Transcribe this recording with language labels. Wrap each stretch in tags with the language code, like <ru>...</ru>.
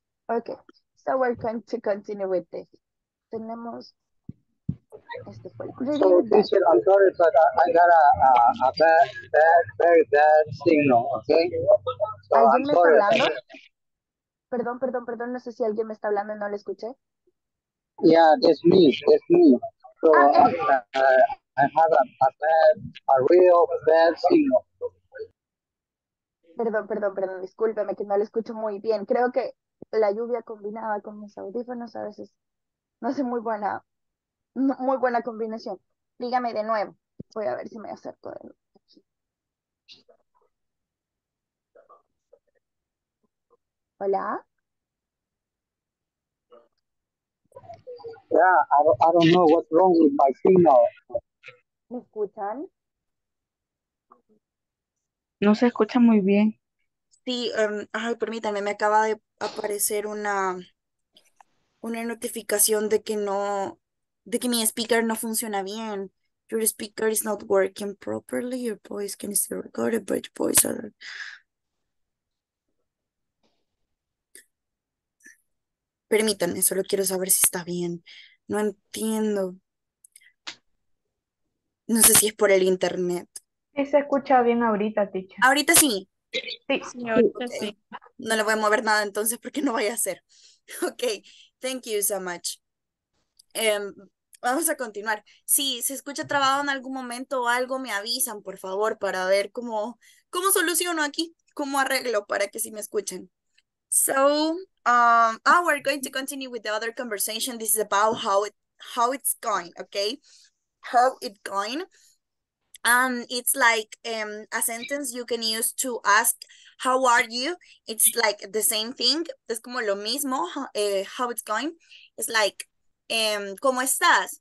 <en>Okay, so we're going to continue with this.</en> <es>Tenemos...</es> <en>So, teacher, I'm sorry, but I got a very bad signal, okay?</en> <es>So, ¿alguien me está hablando? Perdón, no sé si alguien me está hablando y no le escuché.</es> <en>Yeah, it's me. So, I have a real bad signal.</en> <es>Perdón, discúlpeme que no le escucho muy bien. Creo que la lluvia combinada con mis audífonos a veces no hace muy buena... Muy buena combinación. Dígame de nuevo. Voy a ver si me acerco de nuevo. Hola.</es> <en>Yeah, I don't know what's wrong with my signal.</en> <es>¿Me escuchan? No se escucha muy bien. Sí, ay, permítanme, me acaba de aparecer una notificación de que no. De que mi speaker no funciona bien.</es> <en>Your speaker is not working properly. Your voice can still record it, but your voice are...</en> <es>Permítanme, solo quiero saber si está bien. No entiendo. No sé si es por el internet. Sí, se escucha bien ahorita, teacher. ¿Ahorita sí? Sí, señorita, sí. No le voy a mover nada entonces porque no vaya a ser.</es> <en>Ok, thank you so much.</en> <es>Vamos a continuar. Si se escucha trabado en algún momento o algo, me avisan, por favor, para ver cómo soluciono aquí, cómo arreglo para que sí me escuchen.</es> <en>So, we're going to continue with the other conversation. This is about how it's going, okay? How it going? It's like a sentence you can use to ask, how are you? It's like the same thing.</en> <es>Es como lo mismo,</es> <en>how it's going. It's like,</en> <es>¿cómo estás?</es>